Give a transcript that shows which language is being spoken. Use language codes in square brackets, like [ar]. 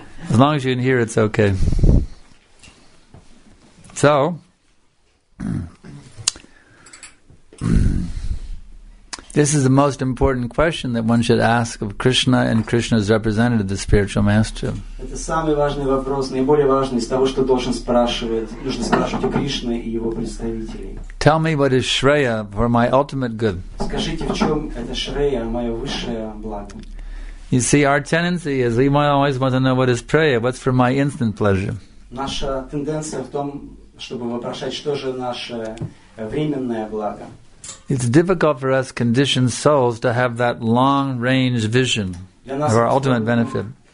[en] As long as you can hear, it's okay. So, this is the most important question that one should ask of Krishna and Krishna's representative, the spiritual master. [ru] Это самый важный вопрос, наиболее важный из того, что должен спрашивать, нужно спрашивать у Кришны и его представителей. [en] Tell me what is Shreya for my ultimate good. [ru] Скажите, в чем это Shreya, мое высшее благо. [en] You see, our tendency is we always want to know what is Shreya, what's for my instant pleasure. [ru] Наша тенденция в том, чтобы вопрошать, что же наше временное благо. [en] It's difficult for us conditioned souls to have that long-range vision of our ultimate benefit.